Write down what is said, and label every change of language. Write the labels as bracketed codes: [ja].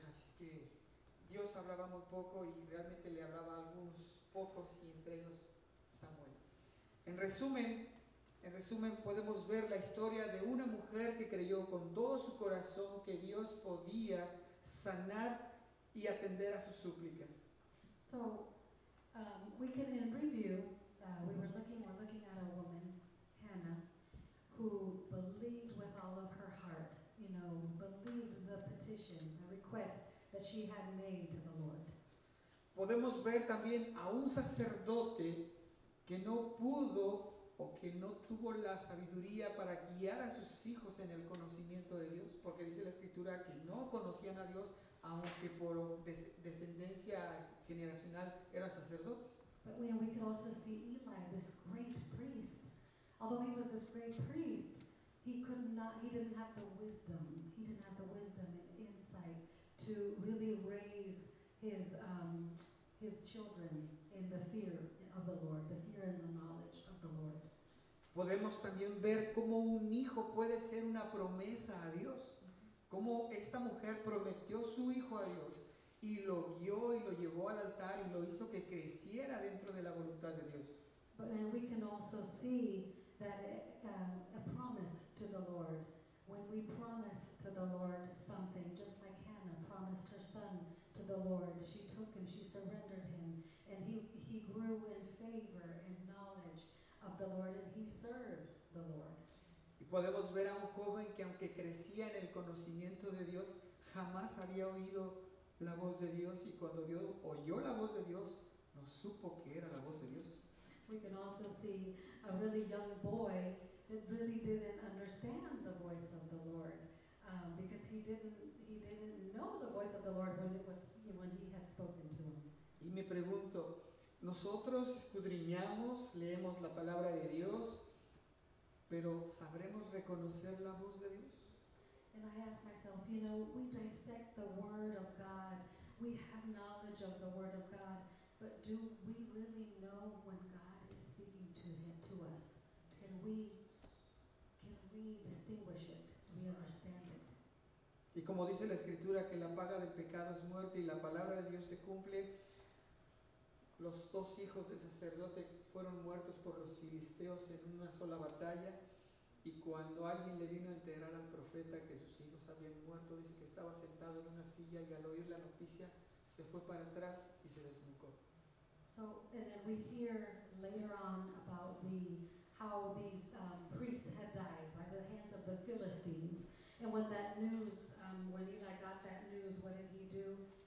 [es] Así es que Dios hablaba muy poco y realmente le hablaba a algunos pocos, y entre ellos Samuel. En resumen, podemos ver la historia de una mujer que creyó con todo su corazón que Dios podía sanar y atender a su súplica. [en] So, we can in review, we're looking at a woman, Hannah, who believed with all of her heart, you know, believed the petition, the request that she had made to the Lord. [es] Podemos ver también a un sacerdote que no pudo o que no tuvo la sabiduría para guiar a sus hijos en el conocimiento de Dios, porque dice la escritura que no conocían a Dios, aunque por descendencia generacional eran sacerdotes. [en] But we can also see Eli, this great priest. Although he was this great priest, he didn't have the wisdom and insight to really raise his children in the fear of the Lord, the fear and the knowledge of the Lord. [es] Podemos también ver cómo un hijo puede ser una promesa a Dios. Cómo esta mujer prometió su hijo a Dios y lo guió y lo llevó al altar y lo hizo que creciera dentro de la voluntad de Dios. [en] But then we can also see that a promise to the Lord. When we promise to the Lord something, just like Hannah promised her son to the Lord, she took him, she surrendered him, and he grew in favor and knowledge of the Lord, and he served the Lord. [es] Y podemos ver a un joven que aunque crecía en el conocimiento de Dios, jamás había oído la voz de Dios, y cuando Dios oyó la voz de Dios, no supo que era la voz de Dios. [en] We can also see a really young boy that really didn't understand the voice of the Lord, because he didn't know the voice of the Lord when he had spoken to him. [es] Y me pregunto, nosotros escudriñamos, leemos la palabra de Dios, pero ¿sabremos reconocer la voz de Dios? [en] And I ask myself, you know, we dissect the word of God, we have knowledge of the word of God, but do we really know when God is speaking to him, to us? Can we distinguish it? Do we understand it? [es] Y como dice la escritura, que la paga del pecado es muerte, y la palabra de Dios se cumple. Los dos hijos del sacerdote fueron muertos por los filisteos en una sola batalla, y cuando alguien le vino a enterar al profeta que sus hijos habían muerto, dice que estaba sentado en una silla y al oír la noticia se fue para atrás y se desnucó. [en] So, and then we hear later on about how these priests had died by the hands of the Philistines, and when that news, when Eli got that news, what did he do?